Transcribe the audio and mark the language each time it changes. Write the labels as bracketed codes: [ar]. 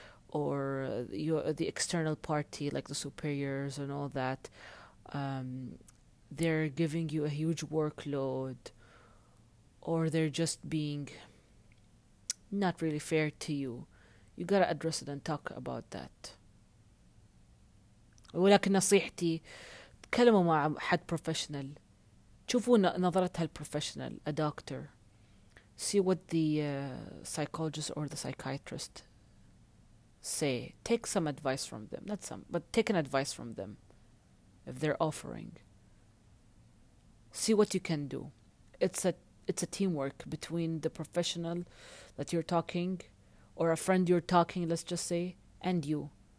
[en] or the external party, like the superiors and all that. They're giving you a huge workload, or they're just being not really fair to you. You gotta address it and talk about that. [ar] ولكن نصيحتي تكلموا مع حد بروفيشنال، شوفوا نظرتها البروفيشنال، [en] a doctor. See what the psychologist or the psychiatrist say. Take some advice from them. Not some, but take an advice from them if they're offering. See what you can do. It's a teamwork between the professional that you're talking, or a friend you're talking, let's just say, and you.